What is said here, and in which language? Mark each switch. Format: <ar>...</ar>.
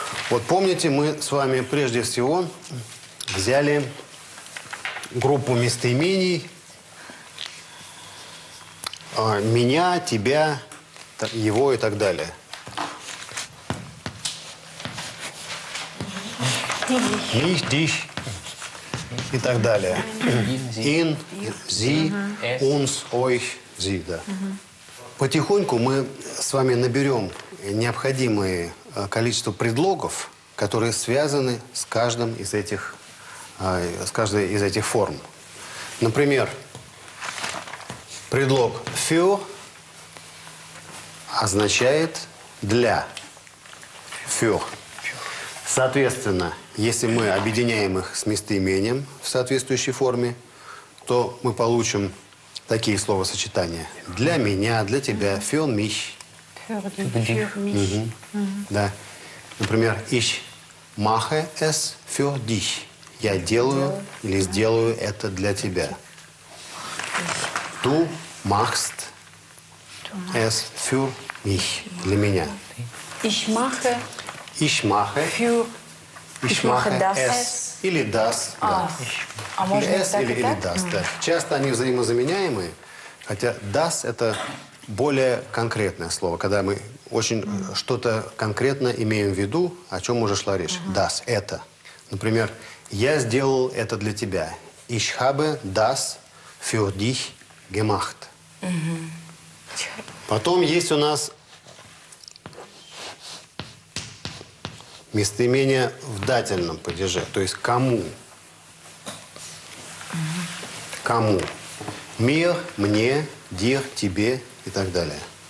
<ru>Вот помните, мы с вами прежде всего взяли группу местоимений «меня», «тебя», «его» и так далее.</ru> <de>Ich, dich</de> <ru>и так далее.</ru> <de>In, sie, uns, euch, sie,</de> <ru>да. Потихоньку мы с вами наберем необходимое количество предлогов, которые связаны с каждым из этих, с каждой из этих форм. Например, предлог für означает для.</ru> <de>Für.</de> <ru>Соответственно, если мы объединяем их с местоимением в соответствующей форме, то мы получим такие словосочетания. Для меня, для тебя.</ru> <de>Für mich. Für dich.</de> <ru>Да. Например,</ru> <de>ich mache es für dich.</de> <ru>Я делаю или сделаю это для тебя.</ru> <de>Du machst es für mich.</de> <ru>Для меня.</ru> <de>Ich mache. Ich mache. Für. Ich mache es.</de> <ru>Или</ru> <de>das.</de> <ru>А можно</ru> <de>es</de> <ru>или</ru> <de>das.</de> <ru>Да. Часто они взаимозаменяемые, хотя das – это более конкретное слово, когда мы очень что-то конкретно имеем в виду, о чем уже шла речь.</ru> <de>Das</de> <ru>– это. Например, я сделал это для тебя.</ru> <de>Ich habe das für dich gemacht.</de> <ru>Потом есть у нас местоимение в дательном падеже, то есть кому. Кому.</ru> <de>Mir,</de> <ru>мне,</ru> <de>dir,</de> <ru>тебе и так далее.</ru>